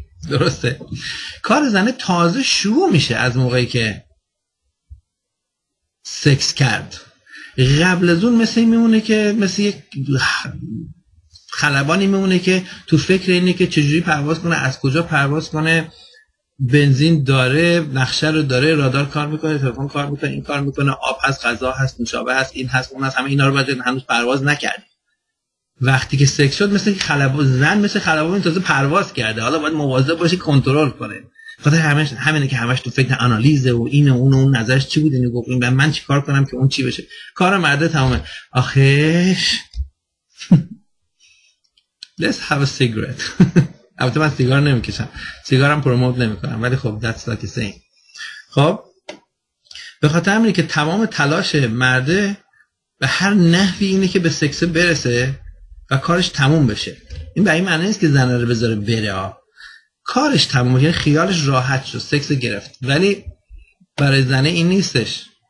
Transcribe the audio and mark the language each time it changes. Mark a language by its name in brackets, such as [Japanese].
[Persian] درسته؟ کار زنه تازه شروع میشه از موقعی که سکس کرد، قبل از اون مثل این میمونه که مثل یک خلبانی میمونه که تو فکر اینه که چجوری پرواز کنه، از کجا پرواز کنه، بنزین داره، نقشه رو داره، رادار کار میکنه، تلفن کار میکنه، این کار میکنه، آب هست، غذا هست، نوشابه هست، این هست، اون هست، همه اینا رو باید هنوز پرواز نکرد. وقتی که سکس شد مثل خلبان، زن مثل خلبان تازه پرواز کرده، حالا باید مواظب باشه کنترل کنه، خاطر همش همینه که همش تو فکر آنالیزه و این و اون و اون نظرش چی بود، اینو گفت این من چی کار کنم که اون چی بشه، کار مرده تمامه. [English] آخیش let's have a cigarette. [Persian] البته من سیگار نمیکشم، سیگارم پروموت نمیکنم، ولی خب [English] that's like saying. [Persian] خب به خاطر همینه که تمام تلاش مرده به هر نحوی اینه که به سکس برسه و کارش تموم بشه. این به این معنی نیست که زنه رو بذاره بره، کارش تموم بشه، خیالش راحت شد، سکس گرفت، ولی برای زنه این نیستش.